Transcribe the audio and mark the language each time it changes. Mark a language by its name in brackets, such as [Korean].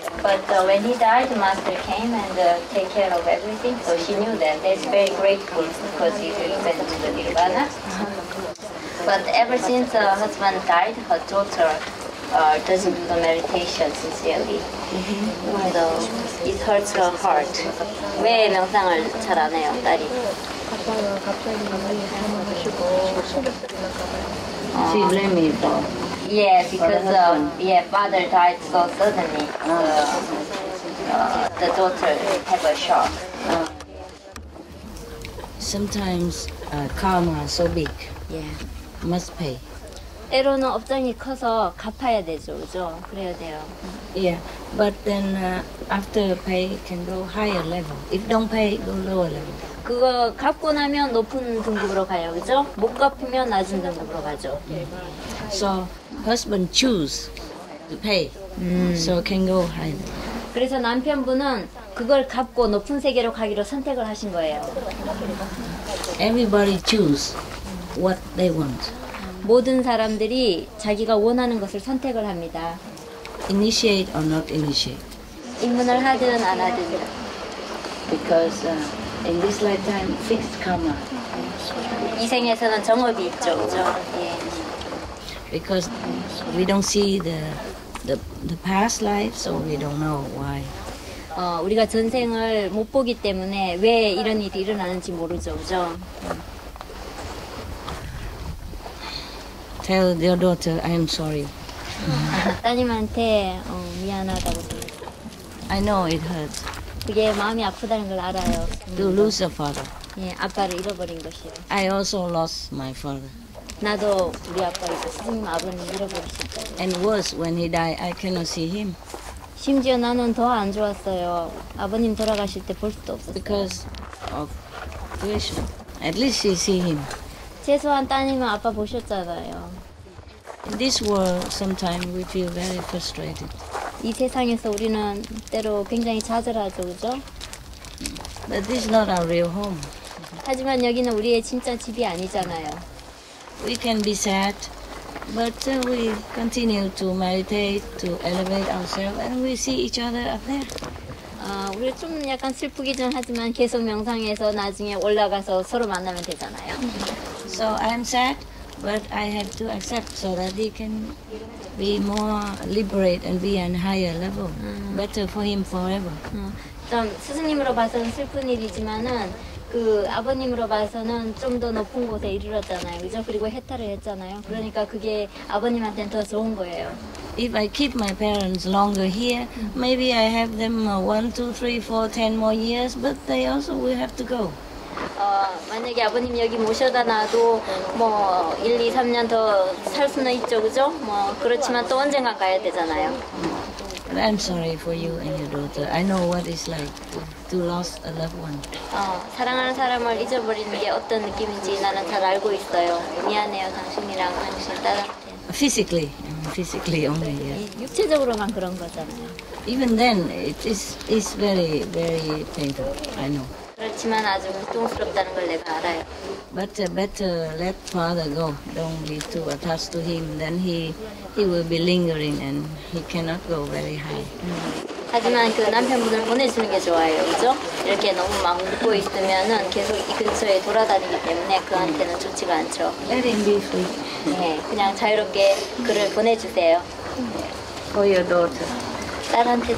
[English] But when he died, Master came and take care of everything. So she knew that. That's very grateful because he went to the Nirvana. Uh-huh. But ever since her husband died, her daughter doesn't do the meditation sincerely. Mm-hmm. So it hurts her heart. [Korean] 왜 명상을 잘 안 해요, 딸이? 갑자기 [English] She blamed me for. Yeah, because father died so suddenly. The daughter have a shock. Sometimes karma is so big. Yeah. Must pay. [Korean] 때로는 업장이 커서 갚아야 되죠, 그죠? 그래야 돼요. [English] Yeah, but then after pay can go higher level. If don't pay, go lower level. [Korean] 그거 갚고 나면 높은 등급으로 가요, 그죠? 못 갚으면 낮은 등급으로 가죠. [English] Yeah. So husband choose to pay, so can go higher. [Korean] 그래서 남편분은 그걸 갚고 높은 세계로 가기로 선택을 하신 거예요. [English] Everybody choose what they want. [Korean] 모든 사람들이 자기가 원하는 것을 선택을 합니다. [English] Initiate or not initiate? [Korean] 입문을 하든 안 하든. [English] Because in this lifetime, fixed karma. [Korean] 이 생에서는 정업이 있죠. 그렇죠? [English] Because we don't see the past life, so we don't know why. [Korean] 우리가 전생을 못 보기 때문에 왜 이런 일이 일어나는지 모르죠, 그죠? [English] Tell your daughter I am sorry. [Korean] 따님한테 미안하다고. [English] I know it hurts. [Korean] 그게 마음이 아프다는 걸 알아요. [English] To lose a father. [Korean] 예, 아빠를 잃어버린 것이요. [English] I also lost my father. [Korean] 나도 우리 아빠 이제 스승님 아버님 잃어버렸어요. [English] And worse, when he died, I cannot see him. [Korean] 심지어 나는 더 안 좋았어요. 아버님 돌아가실 때 볼 수도 없었어요. [English] Because of tuition. At least she see him. [Korean] 최소한 따님은 아빠 보셨잖아요. [English] In this world, sometimes we feel very frustrated. [Korean] 이 세상에서 우리는 때로 굉장히 좌절하죠, 그죠? [English] But this is not our real home. [Korean] 하지만 여기는 우리의 진짜 집이 아니잖아요. [English] We can be sad, but we continue to meditate, to elevate ourselves, and we see each other up there. [Korean] 우리 좀 약간 슬프기는 하지만 계속 명상해서 나중에 올라가서 서로 만나면 되잖아요. [English] So I'm sad, but I have to accept so that he can be more liberate and be on higher level. Better for him forever. [Korean] 좀 스승님으로 봐서는 슬픈 일이지만은 그 아버님으로 봐서는 좀 더 높은 곳에 이르렀잖아요. 그죠? 그리고 해탈을 했잖아요. 그러니까 그게 아버님한테는 더 좋은 거예요. [English] If I keep my parents longer here, maybe I have them 1, 2, 3, 4, 10 more years, but they also will have to go. [Korean] 만약에 아버님 여기 모셔다 놔도 뭐 1, 2, 3년 더 살 수는 있죠, 그죠? 뭐 그렇지만 또 언젠가 가야 되잖아요. [English] I'm sorry for you and your daughter. I know what it's like to lose a loved one. [Korean] 사랑하는 사람을 잊어버리는 게 어떤 느낌인지 나는 잘 알고 있어요. 미안해요, 당신이랑 당신 딸한테. [English] Physically only. Yeah. [Korean] 육체적으로만 그런 거잖아요. [English] Even then, it's very, very painful. I know. [Korean] 그렇지만 아주 고통스럽다는 걸 내가 알아요. [English] Better let father go. Don't be too attached to him. Then he will be lingering and he cannot go very high. [Korean] 하지만 그 남편분을 보내주는 게 좋아요, 그죠? 이렇게 너무 막 묶고 있으면은 계속 이 근처에 돌아다니기 때문에 그한테는 좋지가 않죠. [English] Let him be free. [Korean] 네, 그냥 자유롭게 그를 보내주세요. [English] For your daughter. [Korean] 딸한테